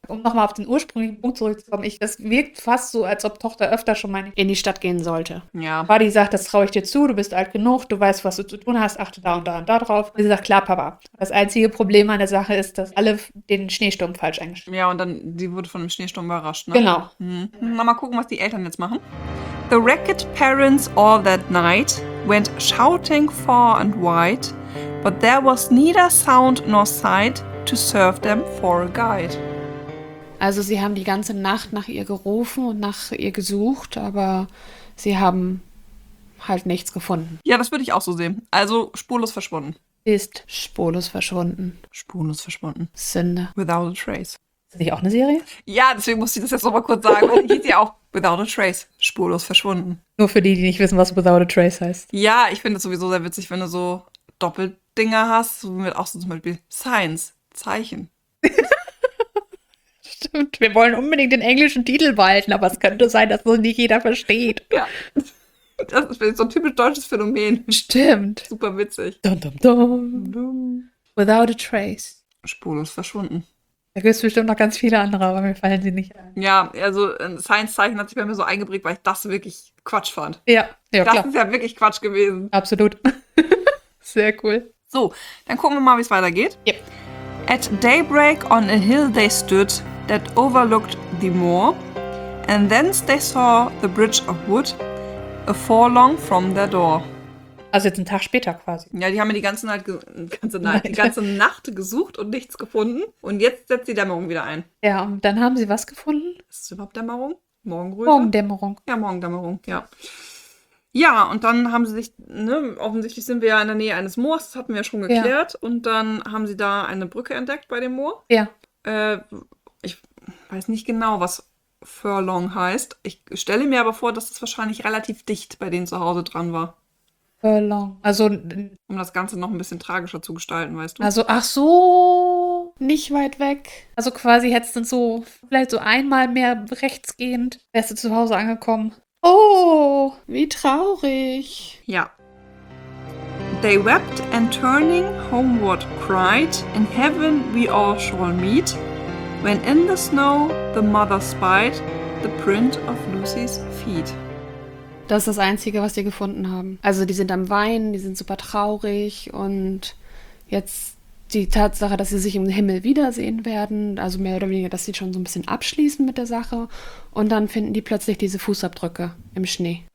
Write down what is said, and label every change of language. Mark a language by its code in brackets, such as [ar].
[de] Um nochmal auf den ursprünglichen Punkt zurückzukommen, das wirkt fast so, als ob Tochter öfter schon mal in die Stadt gehen sollte. Ja. Buddy sagt, das traue ich dir zu, du bist alt genug, du weißt, was du zu tun hast, achte da und da und da drauf. Und sie sagt, klar, Papa. Das einzige Problem an der Sache ist, dass alle den Schneesturm falsch eingeschätzt Ja, und dann, die wurde von dem Schneesturm überrascht, ne? haben. Na, mal gucken, was die Eltern jetzt machen. [en] The wrecked parents all that night went shouting far and wide, but there was neither sound nor sight to serve them for a guide. [de] Also sie haben die ganze Nacht nach ihr gerufen und nach ihr gesucht, aber sie haben halt nichts gefunden. Ja, das würde ich auch so sehen. Also spurlos verschwunden. Ist spurlos verschwunden. Spurlos verschwunden. Sünde. [en] Without a trace. [de] Ist das nicht auch eine Serie? Ja, deswegen musste ich das jetzt noch mal kurz sagen, weil die hieß ja auch Without a Trace, spurlos verschwunden. Nur für die, die nicht wissen, was Without a Trace heißt. Ja, ich finde es sowieso sehr witzig, wenn du so Doppeldinger hast, so mit auch so zum Beispiel Signs, Zeichen. Stimmt, wir wollen unbedingt den englischen Titel behalten, aber es könnte sein, dass so nicht jeder versteht. Das ist so ein typisch deutsches Phänomen. Stimmt. Super witzig. Dum, dum, dum. Dumm. [en] Without a Trace. [de] Spurlos verschwunden. Da gibt es bestimmt noch ganz viele andere, aber mir fallen sie nicht ein. Ja, also ein Science-Zeichen hat sich bei mir so eingeprägt, weil ich das wirklich Quatsch fand. Ja, Das ist klar. ja wirklich Quatsch gewesen. Absolut. Sehr cool. So, dann gucken wir mal, wie es weitergeht. [en] At daybreak on a hill they stood that overlooked the moor, and thence they saw the bridge of wood a forelong from their door. [de] Also jetzt einen Tag später quasi. Ja, die haben mir die ganze Nacht, die Nein. ganze Nacht gesucht und nichts gefunden. Und jetzt setzt die Dämmerung wieder ein. Ja, und dann haben sie was gefunden? Ist es überhaupt Dämmerung? Morgenröte? Morgendämmerung. Ja, Morgendämmerung, ja. Ja, und dann haben sie sich, ne, offensichtlich sind wir ja in der Nähe eines Moors, das hatten wir ja schon Ja. geklärt. Und dann haben sie da eine Brücke entdeckt bei dem Moor. Ja. Ich weiß nicht genau, was Furlong heißt. Ich stelle mir aber vor, dass das wahrscheinlich relativ dicht bei denen zu Hause dran war. Also, Um das Ganze noch ein bisschen tragischer zu gestalten, weißt du? ach so, nicht weit weg. Also quasi hättest du so vielleicht so einmal mehr rechtsgehend, wärst du zu Hause angekommen. Oh, wie traurig. Ja. [en] They wept and turning homeward cried, In heaven we all shall meet, when in the snow the mother spied the print of Lucy's feet. [de] Das ist das Einzige, was sie gefunden haben. Also, die sind am Weinen, die sind super traurig und jetzt die Tatsache, dass sie sich im Himmel wiedersehen werden, also mehr oder weniger, dass sie schon so ein bisschen abschließen mit der Sache und dann finden die plötzlich diese Fußabdrücke im Schnee.